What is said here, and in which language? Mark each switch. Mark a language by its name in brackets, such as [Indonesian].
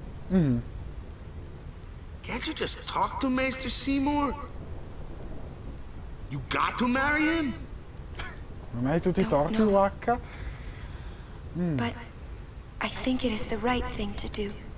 [English] Can't you just talk to Maester Seymour? You got to marry him? [Italian] Non hai tutti i torti, Wacca? [English] But I think it is the right thing to do.